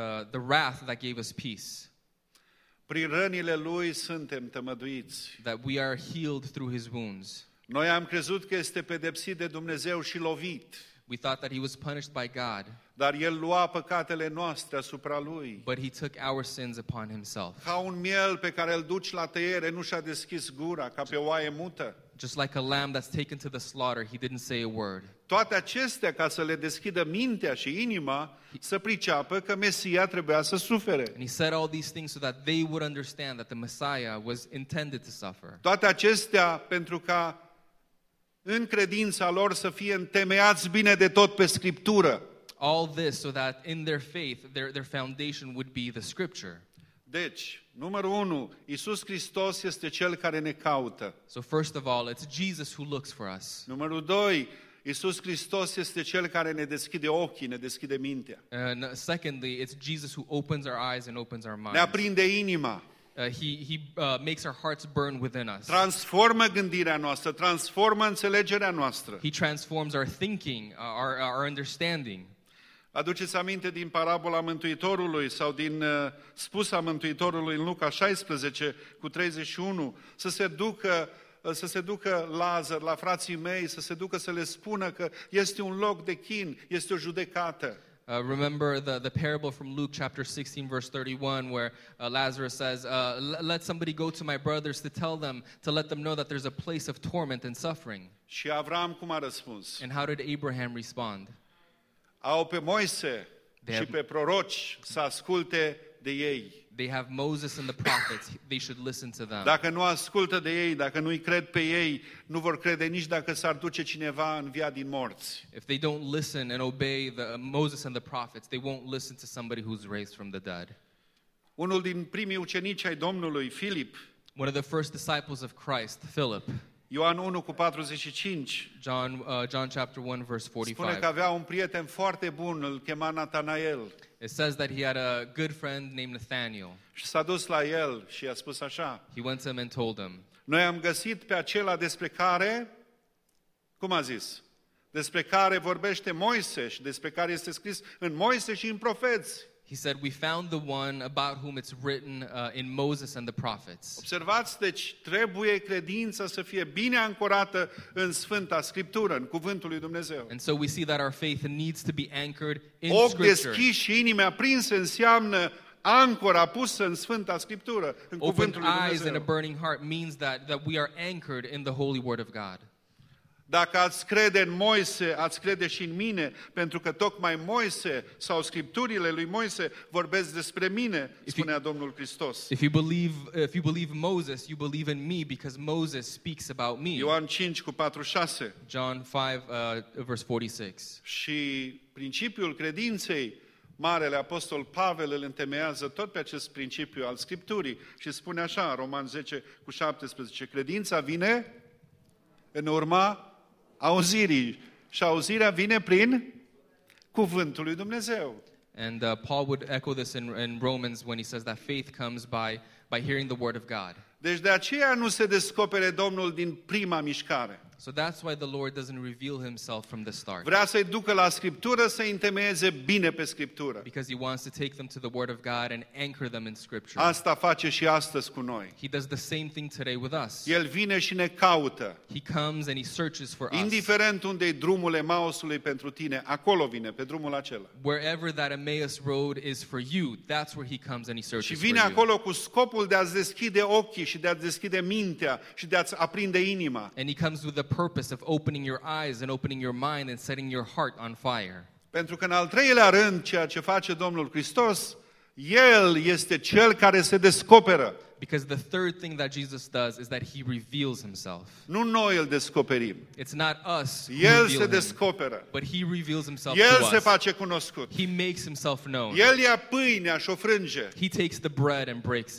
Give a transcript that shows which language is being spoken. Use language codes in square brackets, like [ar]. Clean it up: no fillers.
[en] the wrath that gave us peace. [ro] Prin rănile lui suntem tămăduiți. [en] That we are healed through his wounds. [ro] Noi am crezut că este pedepsit de Dumnezeu și lovit. [en] We thought that he was punished by God. [ro] Dar el lua păcatele noastre asupra lui. [en] But he took our sins upon himself. [ro] Ca un miel pe care îl duci la tăiere, nu și-a deschis gura, ca pe oaie mută. [en] Just like a lamb that's taken to the slaughter, he didn't say a word. [ro] Toate acestea ca să le deschidă mintea și inima, să priceapă că Mesia trebuia să sufere. [en] And he said all these things so that they would understand that the Messiah was intended to suffer. [ro] Toate acestea pentru ca în credința lor să fie întemeiați bine de tot pe Scriptură. [en] All this so that in their faith, their foundation would be the Scripture. [ro] Deci, numărul unu, Iisus Hristos este Cel care ne caută. [en] So first of all, it's Jesus who looks for us. [ro] Numărul doi, Iisus Hristos este Cel care ne deschide ochii, ne deschide mintea. [en] And secondly, it's Jesus who opens our eyes and opens our minds. [ro] Ne aprinde inima. [en] He makes our hearts burn within us. [ro] Transformă gândirea noastră, transformă înțelegerea noastră. [en] He transforms our thinking, our understanding. [ro] Aduceți aminte din parabola Mântuitorului sau din spusa Mântuitorului în Luca 16 cu 31, să se ducă Lazar la frații mei, să se ducă să le spună că este un loc de chin, este o judecată. [en] Remember the parable from Luke chapter 16 verse 31 where Lazarus says, let somebody go to my brothers to let them know that there's a place of torment and suffering. [ro] Și Avram cum a răspuns? [en] And how did Abraham respond? [ro] Au pe Moise și pe proroci să asculte de ei. [en] They have Moses and the prophets. They should listen to them. [ro] Dacă nu ascultă de ei, dacă nu-i cred pe ei, nu vor crede nici dacă s-ar duce cineva în via din morți. [en] If they don't listen and obey Moses and the prophets, they won't listen to somebody who's raised from the dead. [ro] Unul din primii ucenici ai Domnului, Filip. [en] One of the first disciples of Christ, Philip. [ro] Ioan 1 cu 45. [en] John chapter 1 verse 45. [ro] Spune că avea un prieten foarte bun, îl chema Nathanael. [en] It says that he had a good friend named Nathanael. [ro] Și s-a dus la el și i-a spus așa. [en] He went to him and told him. [ro] Noi am găsit pe acela despre care, cum a zis? Despre care vorbește Moise și despre care este scris în Moise și în profeți. [en] He said, we found the one about whom it's written in Moses and the prophets. [ro] Observați, deci, trebuie credința să fie bine ancorată în Sfânta Scriptură, în Cuvântul lui Dumnezeu. [en] And so we see that our faith needs to be anchored in [ro] Ochi [en] Scripture. [ro] Ochi deschiși și inime aprinse înseamnă ancora pusă în Sfânta Scriptură, în [en] Opened [ro] Cuvântul lui Dumnezeu. [en] Eyes and a burning heart means that we are anchored in the Holy Word of God. [ro] Dacă ați crede în Moise, ați crede și în mine, pentru că tocmai Moise sau scripturile lui Moise vorbesc despre mine, spunea Domnul Hristos. [en] If you believe Moses, you believe in me because Moses speaks about me. [ro] Ioan 5 cu 46. [en] John 5 verse 46. [ro] Și principiul credinței, marele apostol Pavel îl întemeiază tot pe acest principiu al scripturii și spune așa, Roman 10 cu 17, credința vine în urma auzirii. Și auzirea vine prin cuvântul lui Dumnezeu. [en] And Paul would echo this in Romans when he says that faith comes by hearing the word of God. [ro] Deci de aceea nu se descopere Domnul din prima mișcare. [en] So that's why the Lord doesn't reveal himself from the start. [ro] Vrea să-i ducă la Scriptură să-i întemeieze bine pe Scriptură. [en] Because he wants to take them to the word of God and anchor them in Scripture. [ro] Asta face și astăzi cu noi. [en] He does the same thing today with us. [ro] El vine și ne caută. [en] He comes and he searches for us. [ro] Indiferent unde e drumul Emausului pentru tine, acolo vine, pe drumul acela. [en] Wherever that Emmaus road is for you, that's where he comes and he searches for you. [ro] Și vine acolo cu scopul de a-ți deschide ochii și de a-ți deschide mintea și de a-ți aprinde inima. [en] And he comes with the purpose of opening your eyes and opening your mind and setting your heart on fire. [ro] Pentru că în al treilea rând, ceea ce face Domnul Hristos, El este Cel care se descoperă. [en] Because the third thing that Jesus does is that He reveals Himself. [ro] Nu noi îl descoperim. [en] It's not us [ro] El [en] who [ro] se descoperă. [en] Him, but He reveals Himself [ro] El [en] to us. [ro] El se face cunoscut. [en] He makes Himself known. [ro] El ia pâinea și o frânge. [en] He takes the bread and breaks it.